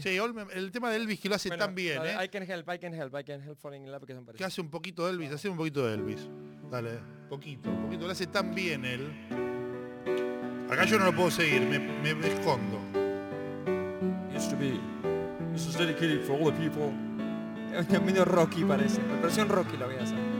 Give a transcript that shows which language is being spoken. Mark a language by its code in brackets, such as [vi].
[es] Sí, el tema de Elvis que lo hace, bueno, tan bien, ¿eh? [en] I can help falling in love, [es] que son parecidos. Que hace un poquito de Elvis, hacemos un poquito de Elvis. Dale, un poquito, lo hace tan bien él. Acá yo no lo puedo seguir, me escondo. [en] This is dedicated for all the people. [es] Es medio Rocky parece, la versión Rocky lo voy a hacer.